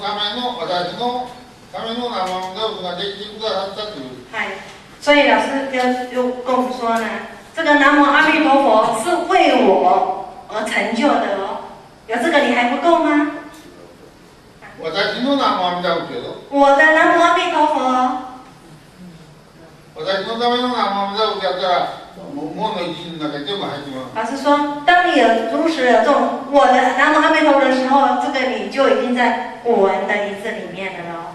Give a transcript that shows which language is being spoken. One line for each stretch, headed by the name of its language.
Japanese: 神の南無阿弥陀佛ができてくださったという。はい。
Chinese: 所以老师又跟我们说呢，这个南无阿弥陀佛是为我而成就的哦。有这个你还不够吗？
Japanese: 私の南無阿弥陀佛。
Chinese: 我的南无阿弥陀佛。
Japanese: 私のための南無阿弥陀佛やったら、門の一心の中全部入ってます。
Chinese: 老师说，当你有如实有这种我的南无阿弥陀佛的时候，这个你就已经在我们的意识里面了。